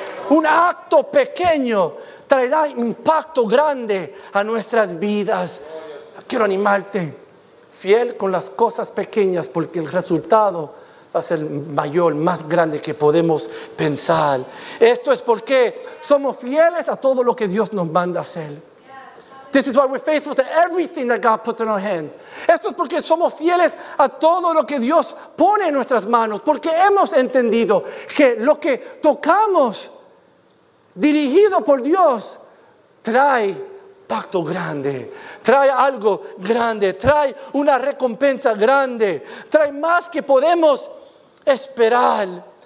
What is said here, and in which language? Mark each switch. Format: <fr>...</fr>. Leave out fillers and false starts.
<es>Un acto pequeño traerá impacto grande a nuestras vidas. Quiero animarte: fiel con las cosas pequeñas, porque el resultado va a ser mayor, más grande que podemos pensar. Esto es porque somos fieles a todo lo que Dios nos manda hacer.</es> <en>This is why we're faithful to everything that God puts in our hand.</en> <es>Esto es porque somos fieles a todo lo que Dios pone en nuestras manos, porque hemos entendido que lo que tocamos, dirigido por Dios, trae pacto grande, trae algo grande, trae una recompensa grande, trae más que podemos esperar.</es>